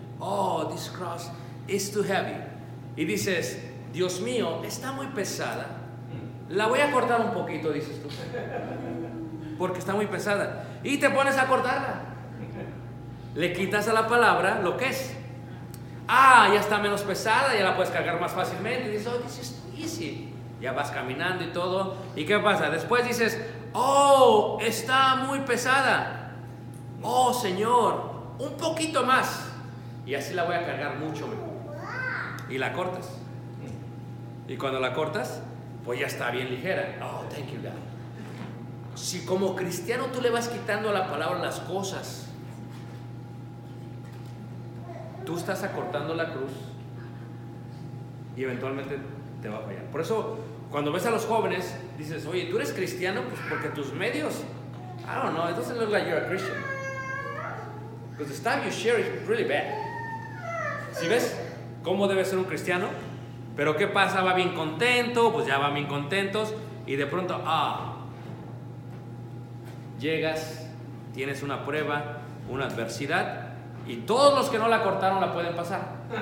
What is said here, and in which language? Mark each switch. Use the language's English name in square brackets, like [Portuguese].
[English] Oh, this cross is too heavy. [Spanish] Y dices, Dios mío, está muy pesada. La voy a cortar un poquito, dices tú. Porque está muy pesada. Y te pones a cortarla. Le quitas a la palabra lo que es. Ah, ya está menos pesada, ya la puedes cargar más fácilmente. Y dices, [English] oh, this is easy. [Spanish] Ya vas caminando y todo. ¿Y qué pasa? Después dices, oh, está muy pesada. Oh, Señor, un poquito más. Y así la voy a cargar mucho mejor. Y la cortas. Y cuando la cortas, pues ya está bien ligera. [English] Oh, thank you, God. [Spanish] Si como cristiano tú le vas quitando a la palabra las cosas, tú estás acortando la cruz y eventualmente te va a fallar. Por eso, cuando ves a los jóvenes, dices, oye, ¿tú eres cristiano? Pues porque tus medios, [English] I don't know, it doesn't look like you're a Christian. Because the stuff you share is really bad. [Spanish] ¿Sí ves cómo debe ser un cristiano? Pero ¿qué pasa? Va bien contento, pues ya van bien contentos, y de pronto, ah, llegas, tienes una prueba, una adversidad, y todos los que no la cortaron la pueden pasar.